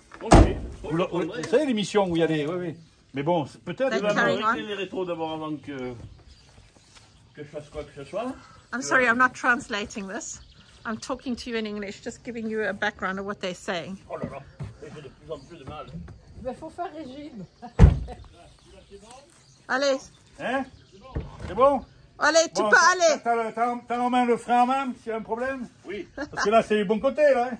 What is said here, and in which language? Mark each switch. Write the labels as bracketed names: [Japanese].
[French] Vous savez l'émission où y aller, oui, oui. Mais bon, peut-être. Ils vont arrêter les rétros d'abord avant que je fasse quoi que ce soit. [English] I'm sorry, I'm not translating this. I'm talking to you in English, just giving you a background of what they're saying. [French] Oh là là, j'ai de plus en plus de mal. Il faut faire régime. Allez. Hein? C'est bon? Allez, tu peux aller. T'as en main le frein en main, s'il y a un problème? Oui. Parce que là, c'est du bon côté, là. Hein?